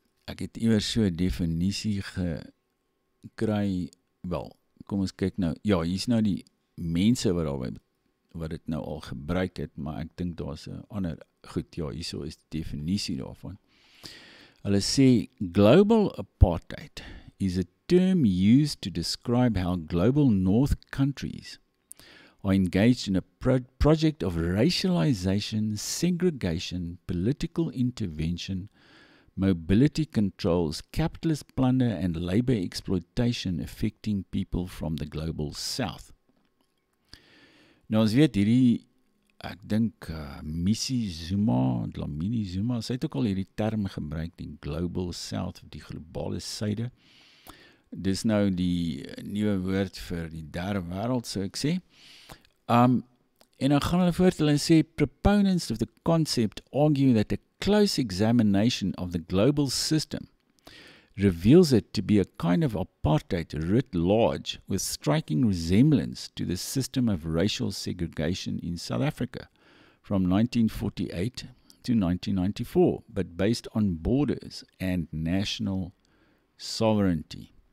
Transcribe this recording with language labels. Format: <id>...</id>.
<af>Ek het iewers so 'n definisie gekry, wel, kom ons kyk nou, ja, hier is nou die mense wat het nou al gebruik het, maar ek dink daar is 'n ander, goed, ja, hier so is die definisie daarvan. Hulle sê,</af> <en>global apartheid is a term used to describe how global north countries are engaged in a project of racialization, segregation, political intervention, mobility controls, capitalist plunder and labor exploitation affecting people from the global south.</en> <af>Nou ons weet hierdie, ek dink, Dlamini Zuma, sy het ook al hierdie term gebruik, die global south, die globale syde. Dis nou die nieuwe woord vir die derde wêreld, sou ek sê. En dan gaan hulle voort, hulle sê,</af> <en>proponents of the concept argue that a close examination of the global system reveals it to be a kind of apartheid writ large with striking resemblance to the system of racial segregation in South Africa from 1948 to 1994, but based on borders and national sovereignty.</en>